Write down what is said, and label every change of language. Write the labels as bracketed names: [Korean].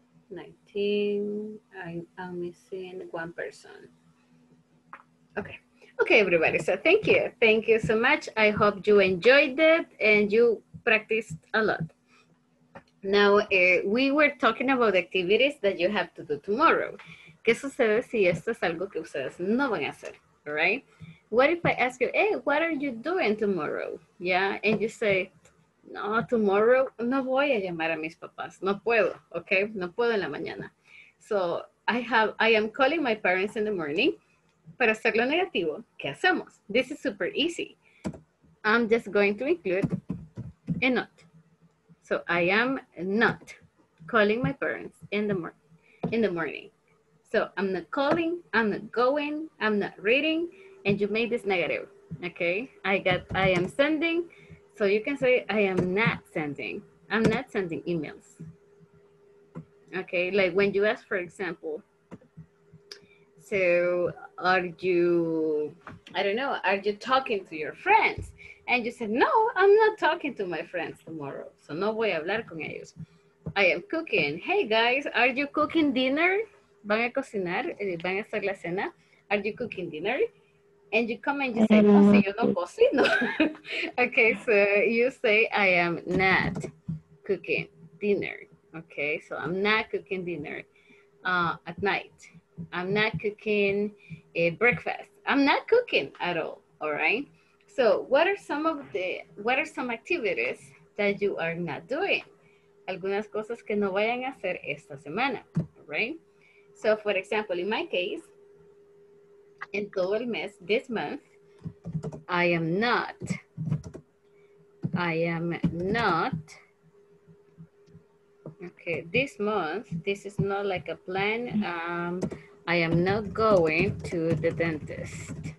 [English] 19. I'm missing one person. Okay. Okay, everybody. So thank you. Thank you so much. I hope you enjoyed it and you practiced a lot. Now, we were talking about activities that you have to do tomorrow. [Spanish] ¿Qué sucede si esto es algo que ustedes no van a hacer? [English] All right. What if I ask you, hey, what are you doing tomorrow? [Spanish] Yeah. And you say, no, tomorrow no voy a llamar a mis papás. No puedo. Okay. No puedo en la mañana. [English] So I am calling my parents in the morning. Para hacerlo negativo, ¿qué hacemos? This is super easy. I'm just going to include a not. So I am not calling my parents in the morning. So I'm not calling, I'm not going, I'm not reading, and you made this negative, okay? I am sending, so you can say, I'm not sending emails, okay? Like when you ask, for example, so are you talking to your friends? And you said, no, I'm not talking to my friends tomorrow, so no voy a hablar con ellos. I am cooking, hey guys, are you cooking dinner? [Spanish] Van a cocinar, van a hacer la cena. [English] Are you cooking dinner? And you come and you say, no, si yo no cocino. Okay, so you say, I am not cooking dinner. Okay, so I'm not cooking dinner at night. I'm not cooking a breakfast. I'm not cooking at all right? So what are some activities that you are not doing? [Spanish] Algunas cosas que no vayan a hacer esta semana, right? [English] So, for example, in my case, in todo el mes, this month, I am not, okay, this month, this is not like a plan, I am not going to the dentist.